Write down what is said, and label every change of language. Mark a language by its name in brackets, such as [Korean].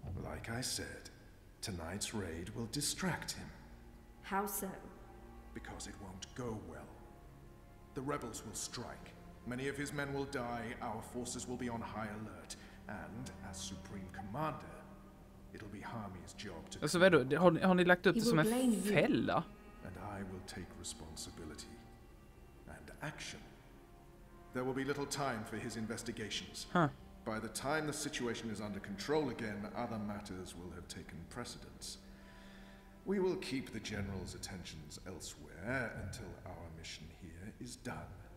[English] Like I said, tonight's raid will distract him. How so? Because it won't go well. The rebels will strike. Many of his men will die. Our forces will be on high alert. And as supreme commander, it'll be Harmy's job to... [Swedish] Alltså, vadå? Har ni lagt upp det som en fälla? [English] And I will take responsibility. And action. There will be little time for his investigations. By the time the situation is under control again, other matters will have taken precedence. We will keep the general's attentions elsewhere until our mission here is done.